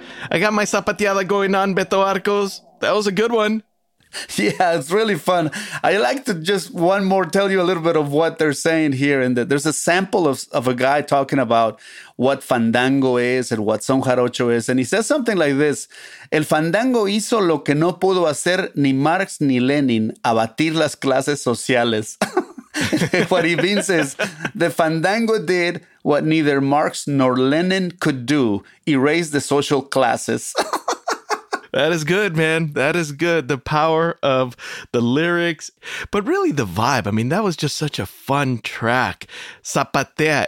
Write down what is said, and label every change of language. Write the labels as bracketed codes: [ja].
[en] I got my zapateada going on, Betto Arcos. That was a good one. Yeah, it's really fun. I'd like to just one more tell you a little bit of what they're saying here. And there's a sample of a guy talking about what fandango is and what son jarocho is. And he says something like this: [es] El fandango hizo lo que no pudo hacer ni Marx ni Lenin, abatir las clases sociales. [en] What he means is the fandango did what neither Marx nor Lenin could do: erase the social classes. That is good, man. That is good. The power of the lyrics, but really the vibe. I mean, that was just such a fun track. Zapatea.